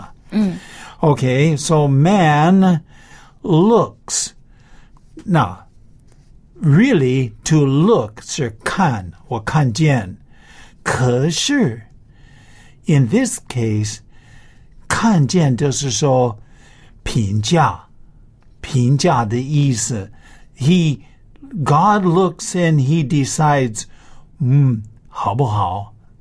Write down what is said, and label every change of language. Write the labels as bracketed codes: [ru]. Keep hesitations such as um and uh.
[en] Mm. Okay, so man looks. Now, really, to look, [zh] 是看,我看见。可是, [en] in this case, [zh] 看见就是说评价,评价的意思。 [en] He, God looks and he decides, [zh] 嗯,好不好?